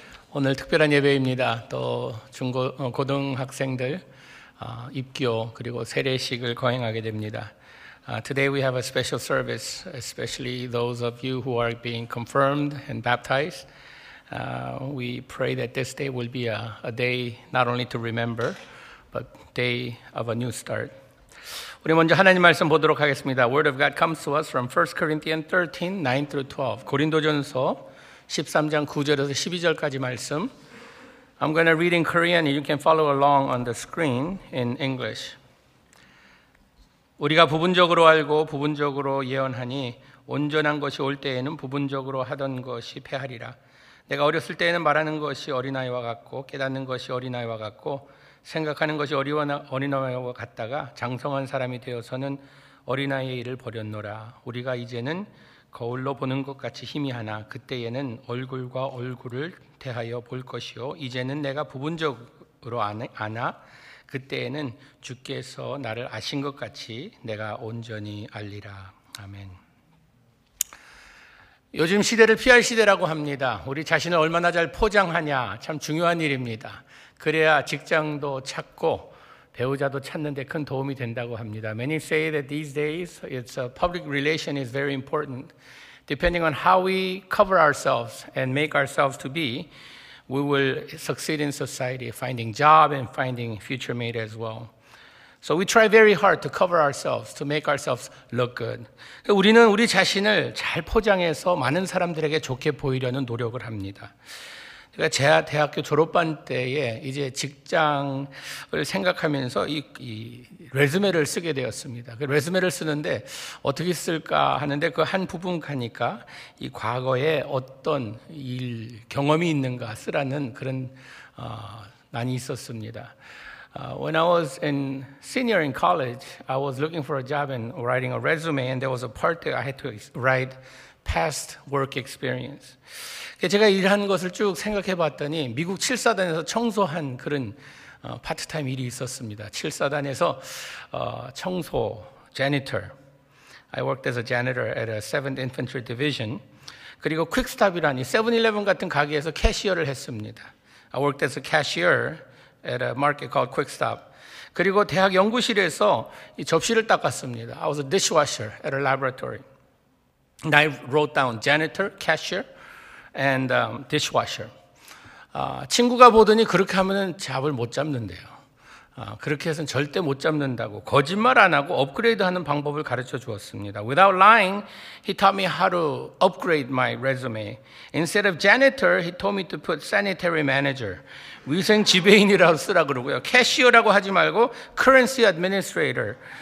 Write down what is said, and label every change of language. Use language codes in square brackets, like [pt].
[ko] 오늘 특별한 예배입니다. 또 고등학생들 입교 그리고 세례식을 거행하게 됩니다. [en] Today we have a special service, especially those of you who are being confirmed and baptized. We pray that this day will be a day not only to remember, but day of a new start. [ko] 우리 먼저 하나님 말씀 보도록 하겠습니다. [en] Word of God comes to us from 1 Corinthians 13, 9 through 12. [ko] 고린도전서 13장 9절에서 12절까지 말씀. [en] I'm going to read in Korean and you can follow along on the screen in English. [ko] 우리가 부분적으로 알고 부분적으로 예언하니 온전한 것이 올 때에는 부분적으로 하던 것이 폐하리라. 내가 어렸을 때에는 말하는 것이 어린아이와 같고 깨닫는 것이 어린아이와 같고 생각하는 것이 어린아이와 같다가 장성한 사람이 되어서는 어린아이의 일을 버렸노라. 우리가 이제는 거울로 보는 것 같이 희미하나 그때에는 얼굴과 얼굴을 대하여 볼 것이요 이제는 내가 부분적으로 아나 그때에는 주께서 나를 아신 것 같이 내가 온전히 알리라. 아멘. 요즘 시대를 PR 시대라고 합니다. 우리 자신을 얼마나 잘 포장하냐 참 중요한 일입니다. 그래야 직장도 찾고 배우자도 찾는 데 큰 도움이 된다고 합니다. [en] Many say that these days it's a public relation is very important. Depending on how we cover ourselves and make ourselves to be, we will succeed in society, finding job and finding future mate as well. So we try very hard to cover ourselves, to make ourselves look good. [ko] 우리는 우리 자신을 잘 포장해서 많은 사람들에게 좋게 보이려는 노력을 합니다. 제가 대학교 졸업반 때에 이제 직장을 생각하면서 이 레즈메를 쓰게 되었습니다. 그 레즈메를 쓰는데 어떻게 쓸까 하는데 그 한 부분 가니까 이 과거에 어떤 일 경험이 있는가 쓰라는 그런 난이 있었습니다. [en] When I was in senior in college, I was looking for a job and writing a resume, and there was a part that I had to write past work experience. [ko] 제가 일한 것을 쭉 생각해 봤더니 미국 7사단에서 청소한 그런 파트타임 일이 있었습니다. 7사단에서 청소, janitor. [en] I worked as a janitor at a 7th Infantry Division. [ko] 그리고 퀵스탑이라니 7-11 같은 가게에서 캐시어를 했습니다. [en] I worked as a cashier at a market called Quickstop. [ko] 그리고 대학 연구실에서 이 접시를 닦았습니다. [en] I was a dishwasher at a laboratory. And I wrote down janitor, cashier, and dishwasher. [ko] 친구가 보더니 그렇게 하면은 잡을 못 잡는데요. 그렇게 해서는 절대 못 잡는다고 거짓말 안 하고 업그레이드 하는 방법을 가르쳐 주었습니다. [en] Without lying, he taught me how to upgrade my resume. Instead of janitor, he told me to put sanitary manager. [ko] 위생 지배인이라고 쓰라 그러고요. 캐시어라고 하지 말고 [en] currency administrator.